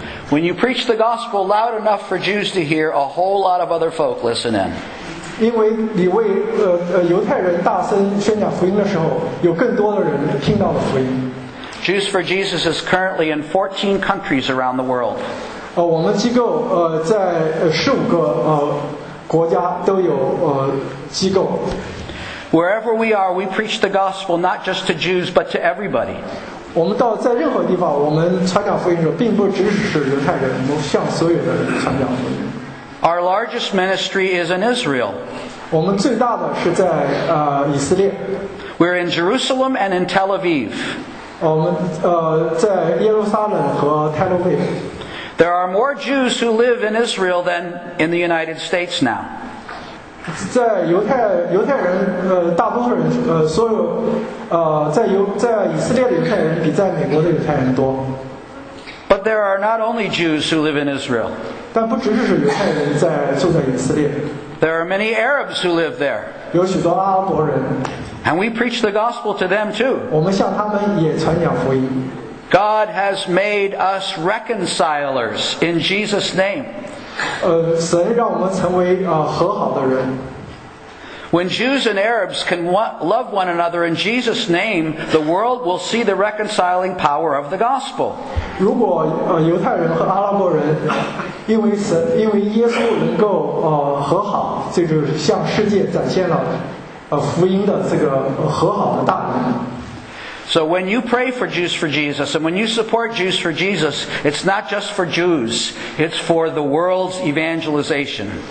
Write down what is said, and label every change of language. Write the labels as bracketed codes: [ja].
[en] When you preach the gospel loud enough for Jews to hear, a whole lot of other folk listen in. [zh] 因为你为犹太人大声宣讲福音的时候，有更多的人听到了福音。 [en] Jews for Jesus is currently in 14 countries around the world. [zh] 我们机构在15个国家都有机构。 [en] Wherever we are, we preach the gospel not just to Jews but to everybody. [zh] 我们到在任何地方，我们传讲福音的时候，并不只是犹太人，我们向所有的人传讲福音。 [en] Our largest ministry is in Israel. [zh] 我们最大的是在以色列。 [en] We're in Jerusalem and in Tel Aviv. [zh] 我们在耶路撒冷和泰勒维夫。 [en] There are more Jews who live in Israel than in the United States now. [zh] 在犹太人大多数人所有在以色列的犹太人比在美国的犹太人多。 [en] But there are not only Jews who live in Israel. [zh] 但不只是犹太人住在以色列。 [en] There are many Arabs who live there. [zh] 有许多阿拉伯人。 [en] And we preach the gospel to them too. [zh] 我们向他们也传讲福音。 [en] God has made us reconcilers in Jesus' name. [zh] 神让我们成为和好的人。 [en] When Jews and Arabs can love one another in Jesus' name, the world will see the reconciling power of the gospel. [zh] 如果犹太人和阿拉伯人因为耶稣能够和好，这就是向世界展现了福音的这个和好的大能。 [en] So when you pray for Jews for Jesus, and when you support Jews for Jesus, it's not just for Jews, it's for the world's evangelization.